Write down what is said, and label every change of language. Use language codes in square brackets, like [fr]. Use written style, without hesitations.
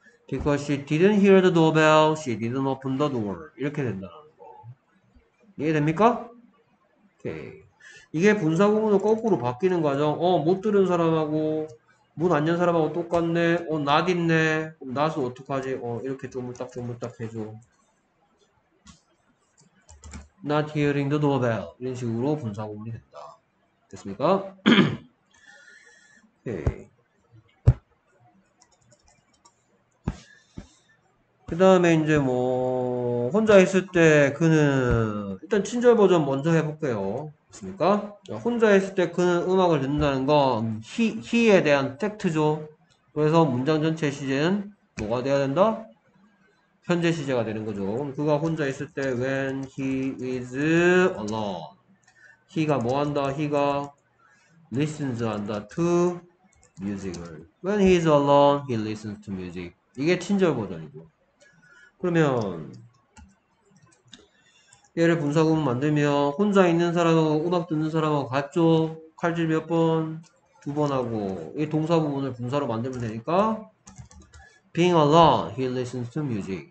[en] Because she didn't hear the doorbell, she didn't open the door. [ko] 이렇게 된다는 거. 이해됩니까? 오케이. 이게 분사구문으로 거꾸로 바뀌는 과정. 못 들은 사람하고, 문안연 사람하고 똑같네. not 있네. 그럼 not은 어떡하지? 이렇게 조물딱 해줘. [en] not hearing the doorbell. [ko] 이런 식으로 분사구문이 된다. 됐습니까? 오케이. 그 다음에 이제 뭐 혼자 있을 때 그는, 일단 친절 버전 먼저 해볼게요. 맞습니까? 혼자 있을 때 그는 음악을 듣는다는 건 he에 대한 팩트죠. 그래서 문장 전체 시제는 뭐가 돼야 된다? 현재 시제가 되는 거죠. 그가 혼자 있을 때 [en] when he is alone, [ko] he가 뭐 한다? he가 listens 한다 to music을. [en] when he is alone, he listens to music. [ko] 이게 친절 버전이고. 그러면 얘를 분사구문 만들면 혼자 있는 사람하고 음악 듣는 사람하고 같죠? 칼질 몇 번? 두번 하고 이 동사 부분을 분사로 만들면 되니까 [en] Being alone, he listens to music.